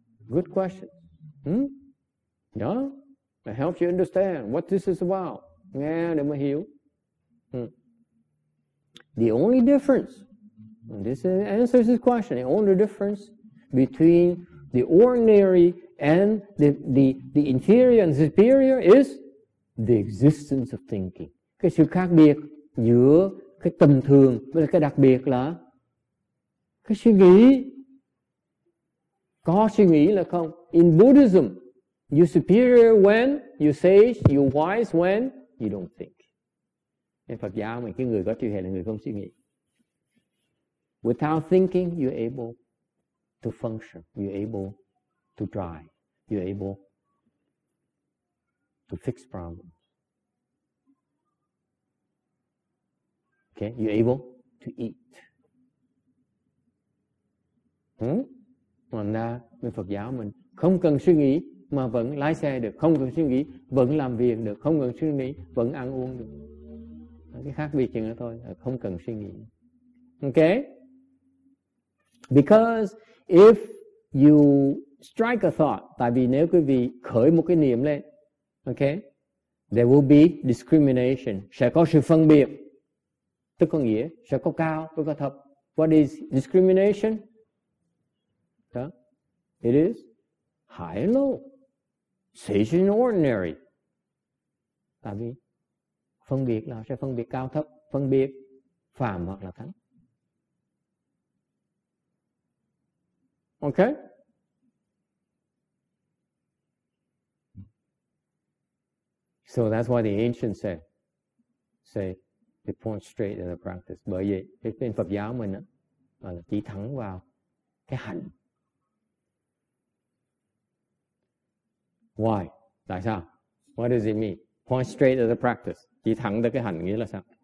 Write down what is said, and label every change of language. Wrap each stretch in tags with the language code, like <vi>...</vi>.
<en>Good question. Yeah? It helps you understand what this is about. Yeah,</en> <vi>để mà hiểu.</vi> <en>The only difference, and this answers this question, the only difference between the ordinary and the inferior and superior is the existence of thinking.</en> <vi>Cái sự khác biệt giữa cái tầm thường với cái đặc biệt là cái suy nghĩ. Có suy nghĩ là không.</vi> <en>In Buddhism, you're superior when You sage, you wise when you don't think.</en> <vi>Nên Phật giáo mình cái người có trí huệ là người không suy nghĩ.</vi> <en>Without thinking, you're able to function. You're able to try. You're able to fix problems. Okay? You're able to eat.</en> <vi>Còn ra bên Phật giáo mình không cần suy nghĩ mà vẫn lái xe được, không cần suy nghĩ vẫn làm việc được, không cần suy nghĩ vẫn ăn uống được. Cái khác biệt chừng đó thôi, không cần suy nghĩ.</vi> <en>Okay? Because if you strike a thought,</en> <vi>tại vì nếu quý vị khởi một cái niệm lên,</vi> <en>okay, there will be discrimination,</en> <vi>sẽ có sự phân biệt. Tức có nghĩa sẽ có cao, sẽ có thấp.</vi> <en>What is discrimination? It is high and low, sage and ordinary.</en> <vi>Tại vì phân biệt là sẽ phân biệt cao thấp, phân biệt phàm hoặc là thánh.</vi> <en>Okay. So that's why the ancients say, they point straight in the practice.</en> <vi>Bởi vậy, cái bên Phật giáo mình á, là chỉ thẳng vào cái hạnh.</vi> <en>Why?</en> <vi>Tại sao?</vi> <en>What does it mean? Point straight at the practice.</en> <vi>Chỉ thẳng tới cái hành nghĩa là sao?</vi>